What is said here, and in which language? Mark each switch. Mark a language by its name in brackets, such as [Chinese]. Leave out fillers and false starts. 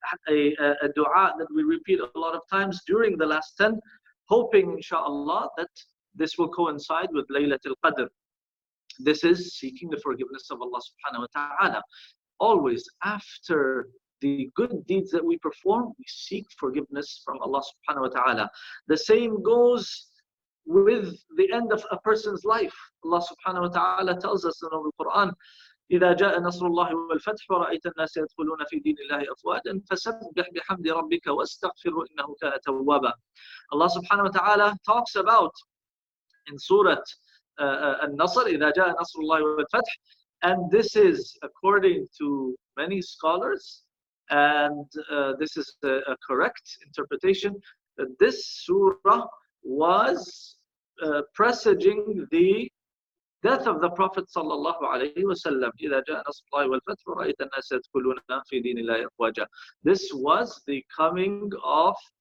[English] A dua that we repeat a lot of times during the last 10, hoping inshaAllah that this will coincide with Laylatul Qadr. This is seeking the forgiveness of Allah subhanahu wa ta'ala. Always, after the good deeds that we perform, we seek forgiveness from Allah subhanahu wa ta'ala. The same goes with the end of a person's life. Allah subhanahu wa ta'ala tells us in the Quran, [Arabic] إِذَا جَاءَ نَصْرُ اللَّهِ وَالْفَتْحُ وَرَأَيْتَ النَّاسِ يَدْخُلُونَ فِي دِينِ اللَّهِ أَفْوَاجًا فَسَبِّحْ بِحَمْدِ رَبِّكَ وَاسْتَغْفِرُ إِنَّهُ كَانَ تَوَّابًا. [English] Allah subhanahu wa ta'ala talks about in Surah An-Nasr, [Arabic] إِذَا جَاءَ نَصْرُ اللَّهِ وَالْفَتْحِ, [English] and this is according to many scholars, and this is a correct interpretation, that this surah was presaging the death of the Prophet sallallahu alayhi wa sallam. [Arabic] إِذَا جَاءَ نَصْرُ اللَّهِ وَالْفَتْحِ وَرَأَيْتَ النَّاسَ يَدْخُلُونَ فِي دِينِ اللَّهِ أَفْوَاجًا. [English] This was the coming of